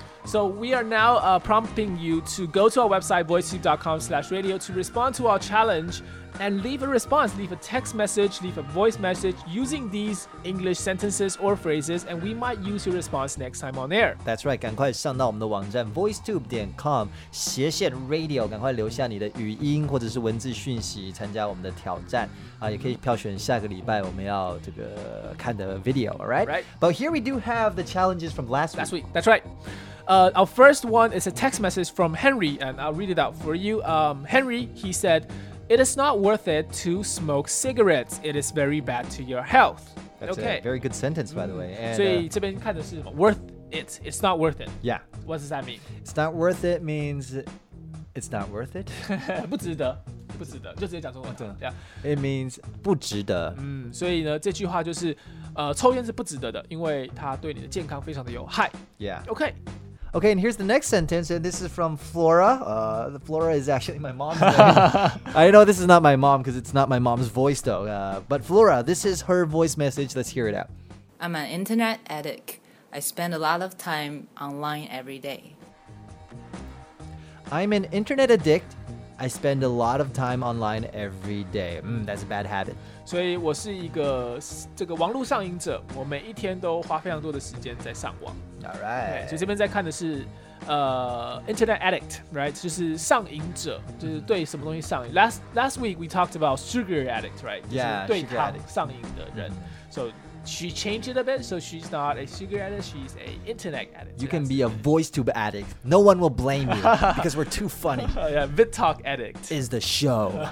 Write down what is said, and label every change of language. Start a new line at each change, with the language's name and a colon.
English: So we are now prompting you to go to our website voicetube.com/radio to respond to our challenge. And leave a response, leave a text message, leave a voice message using these English sentences or phrases, and we might use your response next time on air. That's right,
Chinese: 赶快上到我们的网站 voicetube.com/radio, 赶快留下你的语音或者是文字讯息参加我们的挑战、也可以票选下个礼拜我们要这个看的 video,
English: all right? Right. But here we do have the challenges from last week. Last week, that's right. Our first one is a text message from Henry, and I'll read it out for you. Henry, he said... It is not worth it to smoke cigarettes. It is very bad to your health. That's、okay. a very good sentence, by the way. And,
Chinese: 所以这边看的是什么 worth it.
English: It's not worth it. Yeah. What does that mean? It's not worth it means it's not worth it.
Chinese: 不值得。不值得，就直接讲中文。
English: 对、yeah. ，It means
Chinese: 不值得。嗯，所以呢，这句话就是，抽烟是不值得的，因为它对你的健康非常的有害。
English: Yeah. Okay. Okay, and here's the next sentence, and this is from Flora. Flora is actually my mom's name. I know this is not my mom because it's not my mom's voice, though. But Flora, this is her voice message. Let's hear it out. I'm an internet addict. I spend a lot of time online every day. I'm an internet addict. I spend a lot of time online every day. That's a bad habit.
Chinese: 所以我是一个这个网络上瘾者，我每一天都花非常多的时间在上网。
English: All right.
Chinese: 所以这边在看的是internet addict, right? 就是上瘾者，就是对什么东西上瘾。
English: Last week we talked about sugar addict, right? Yeah,
Chinese: 对糖上瘾的人。
English: So she changed it a bit, so she's not a sugar addict, she's an internet addict. You can be a voice tube addict. No one will blame you because we're too funny. Yeah, VidTalk addict is the show.